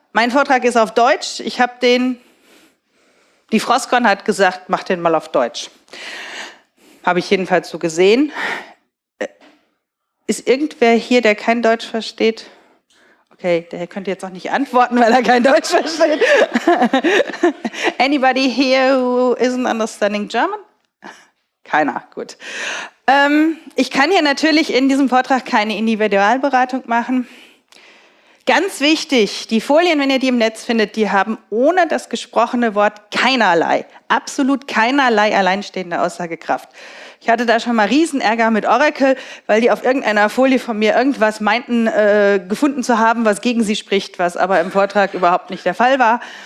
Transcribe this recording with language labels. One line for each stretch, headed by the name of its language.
German: Mein Vortrag ist auf Deutsch. Ich habe den... Die FrostCon hat gesagt, mach den mal auf Deutsch. Habe ich jedenfalls so gesehen. Ist irgendwer hier, der kein Deutsch versteht? Okay, der könnte jetzt auch nicht antworten, weil er kein Deutsch versteht.
English: Anybody here who isn't understanding German?
German: Keiner, gut. Ich kann hier natürlich in diesem Vortrag keine Individualberatung machen. Ganz wichtig, die Folien, wenn ihr die im Netz findet, die haben ohne das gesprochene Wort keinerlei, absolut keinerlei alleinstehende Aussagekraft. Ich hatte da schon mal Riesenärger mit Oracle, weil die auf irgendeiner Folie von mir irgendwas meinten, gefunden zu haben, was gegen sie spricht, was aber im Vortrag überhaupt nicht der Fall war.